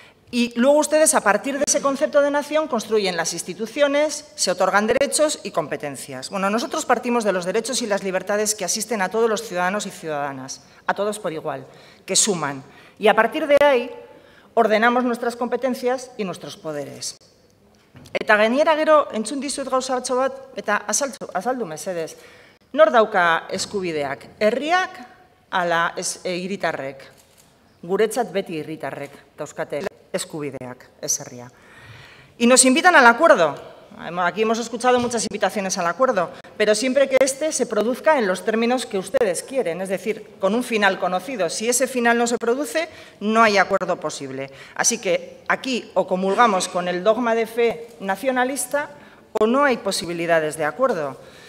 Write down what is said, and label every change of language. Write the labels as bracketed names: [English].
[Spanish] Y luego ustedes, a partir de ese concepto de nación, construyen las instituciones, se otorgan derechos y competencias. Bueno, nosotros partimos de los derechos y las libertades que asisten a todos los ciudadanos y ciudadanas, a todos por igual, que suman. Y a partir de ahí, ordenamos nuestras competencias y nuestros poderes. [Basque] Eta gainera gero, entzun dizut gauza batzu bat, eta azaldu mesedez, nor dauka eskubideak, herriak ala hiritarrek, guretzat beti hiritarrek, dauzkate eskubideak, ez herria. [Spanish] Y nos invitan al acuerdo. Aquí hemos escuchado muchas invitaciones al acuerdo, pero siempre que este se produzca en los términos que ustedes quieren, es decir, con un final conocido. Si ese final no se produce, no hay acuerdo posible. Así que aquí o comulgamos con el dogma de fe nacionalista o no hay posibilidades de acuerdo.